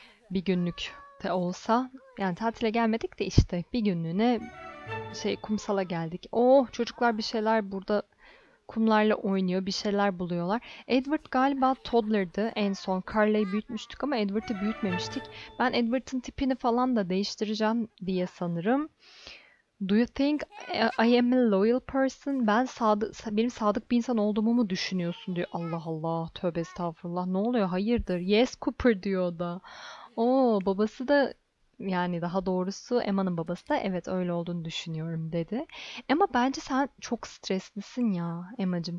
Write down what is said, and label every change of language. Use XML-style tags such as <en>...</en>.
<tr>Bir günlük de olsa. Yani tatile gelmedik de işte bir günlüğüne şey kumsala geldik. Oh, çocuklar bir şeyler burada kumlarla oynuyor, bir şeyler buluyorlar. Edward galiba toddler'dı en son. Carly'i büyütmüştük ama Edward'ı büyütmemiştik. Ben Edward'ın tipini falan da değiştireceğim diye sanırım.</tr> <en>Do you think I am a loyal person?</en> <tr>Benim sadık bir insan olduğumu mu düşünüyorsun diyor. Allah Allah. Tövbe estağfurullah. Ne oluyor? Hayırdır?</tr> <en>Yes</en> <tr>Cooper diyor o da. Oo, babası da yani daha doğrusu Emma'nın babası da evet öyle olduğunu düşünüyorum dedi. Emma bence sen çok streslisin ya Emma'cığım.</tr>